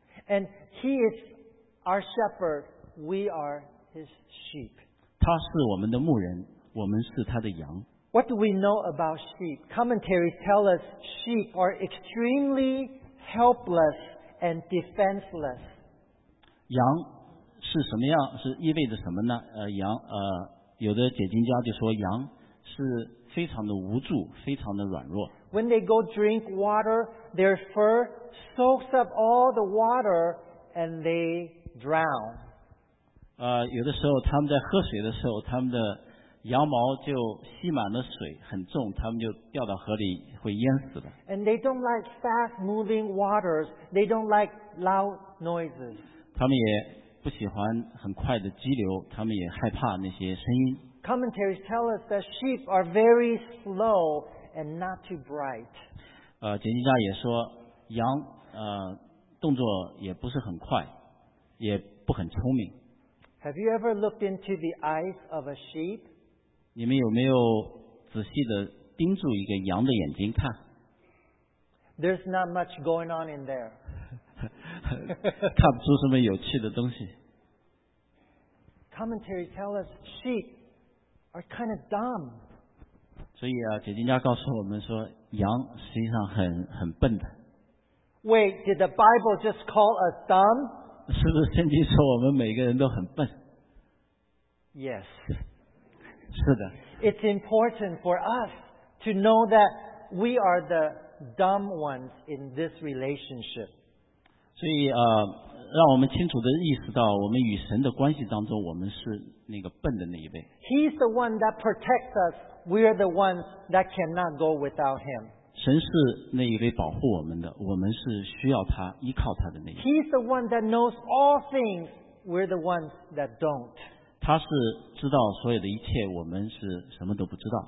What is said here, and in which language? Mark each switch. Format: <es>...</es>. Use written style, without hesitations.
<en>And he is our shepherd, we are his sheep.</en> <zh>他是我们的牧人，我们是他的羊。</zh> <en>What do we know about sheep? Commentaries tell us sheep are extremely helpless and defenseless.</en> <zh>羊是什么样？是意味着什么呢？羊有的解经家就说羊是非常的无助，非常的软弱。</zh> <en>When they go drink water, their fur soaks up all the water and they drown.</en> <zh>有的时候他们在喝水的时候，他们的羊毛就吸满了水，很重，他们就掉到河里，会淹死的。</zh> <en>And they don't like fast moving waters. They don't like loud noises.</en> <zh>他们也不喜欢很快的激流，他们也害怕那些声音。</zh> <en>Commentaries tell us that sheep are very slow and not too bright.</en> <zh>解经家也说，羊动作也不是很快，也不很聪明。</zh> <en>Have you ever looked into the eyes of a sheep?</en> <zh>你们有没有仔细的盯住一个羊的眼睛看？</zh> <en>There's not much going on in there.</en> <zh>看不出什么有趣的东西。</zh> <en>Commentary tell us sheep are kind of dumb.</en> <zh>所以啊，解经家告诉我们说，羊实际上很笨的。</zh> <en>Wait, did the Bible just call us dumb?</en> <zh>是不是圣经说我们每个人都很笨？</zh> <en>Yes.</en> <zh>是的。</zh> <en>It's important for us to know that we are the dumb ones in this relationship.</en> <zh>所以让我们清楚地意识到我们与神的关系当中我们是那个笨的那一位。</zh> <en>He's the one that protects us. We are the ones that cannot go without him.</en> <zh>神是那一位保护我们的，我们是需要他、依靠他的那一位。</zh> <en>He's the one that knows all things. We're the ones that don't.</en> <zh>他是知道所有的一切，我们是什么都不知道。</zh>